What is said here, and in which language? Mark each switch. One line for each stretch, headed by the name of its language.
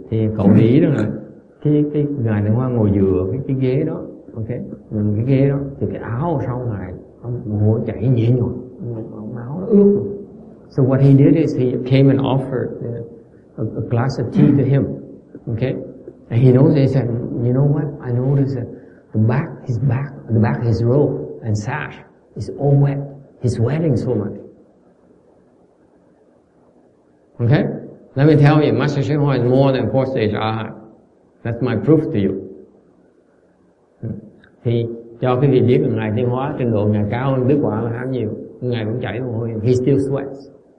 Vietnamese: Thì cậu lý đó là cái ngài Thiền Hóa ngồi dựa cái ghế đó, ok, cái ghế đó, thì cái áo sau ngài mồ hôi chảy nhễ nhồi, máu nó ướt.
English: So what he did is he came and offered a glass of tea to him, okay, and he knows, he said, you know what, I noticed that the back of his robe and sash is all wet, he's sweating so much, okay. Let me tell you, Master Shen Hua is more than four stage Arhat. That's my proof to you.
Vietnamese: Thì cho quý vị biết rằng ngài tiến hóa trình độ ngài cao hơn Đức Quả là khá nhiều, ngài cũng chảy mồ hôi,
English: he still sweats.